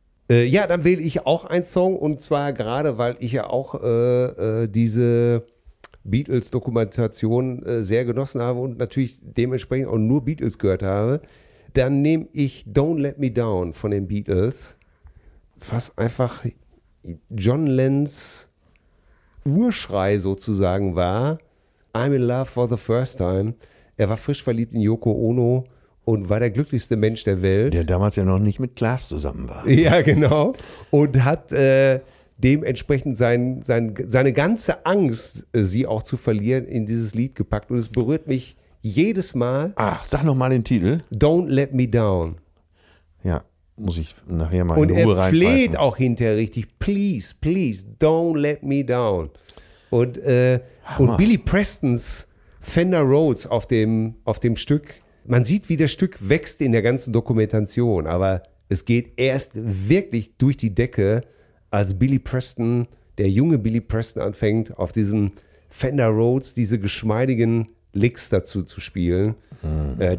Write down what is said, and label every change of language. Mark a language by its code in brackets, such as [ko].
[de] Ja, dann wähle ich auch einen Song. Und zwar gerade, weil ich ja auch diese Beatles-Dokumentation sehr genossen habe und natürlich dementsprechend auch nur Beatles gehört habe. Dann nehme ich Don't Let Me Down von den Beatles, was einfach John Lennons Urschrei sozusagen war. [en] I'm in love for the first time. [de] Er war frisch verliebt in Yoko Ono und war der glücklichste Mensch der Welt. Der damals ja noch nicht mit Klaas zusammen war. Ja, genau. Und hat dementsprechend seine ganze Angst, sie auch zu verlieren, in dieses Lied gepackt. Und es berührt mich jedes Mal. Ach, sag nochmal den Titel. [en] Don't Let Me Down. [de] Ja, muss ich nachher mal in die Ruhe reinfreifen. Und er fleht auch hinterher richtig. [en] Please, please, don't let me down. [de] Und Billy Prestons Fender Rhodes auf dem Stück. Man sieht, wie das Stück wächst in der ganzen Dokumentation. Aber es geht erst wirklich durch die Decke, als Billy Preston, der junge Billy Preston, anfängt, auf diesem Fender Rhodes diese geschmeidigen Licks dazu zu spielen. Mhm.